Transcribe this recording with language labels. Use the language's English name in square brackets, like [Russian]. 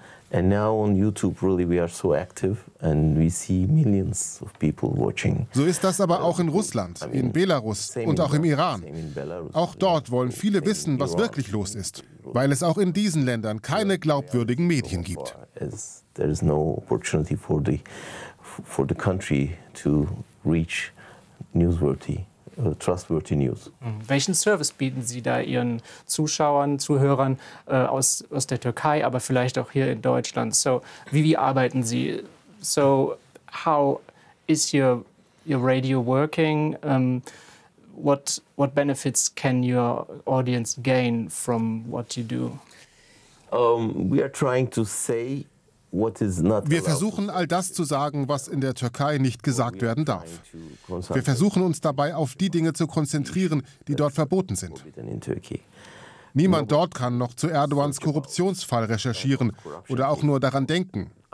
[English] And now on YouTube really we are so active and we see millions of people watching. [German] So ist das aber auch in Russland, in Belarus und auch im Iran. Auch dort wollen viele wissen, was wirklich los ist, weil es auch in diesen Ländern keine glaubwürdigen Medien gibt. [English] There is no opportunity for the country to reach newsworthy, trustworthy news. [German] Welchen Service bieten Sie da Ihren Zuschauern, Zuhörern aus der Türkei, aber vielleicht auch hier in Deutschland? [English] So, [German] wie arbeiten Sie? [English] So, how is your radio working? What benefits can your audience gain from what you do? We are trying to say what is not. [German] Wir versuchen, all das zu sagen, was in der Türkei nicht gesagt werden darf. Wir versuchen uns dabei auf die Dinge zu konzentrieren, die dort verboten sind. Niemand dort kann noch zu Erdogans Korruptionsfall recherchieren oder auch nur daran denken.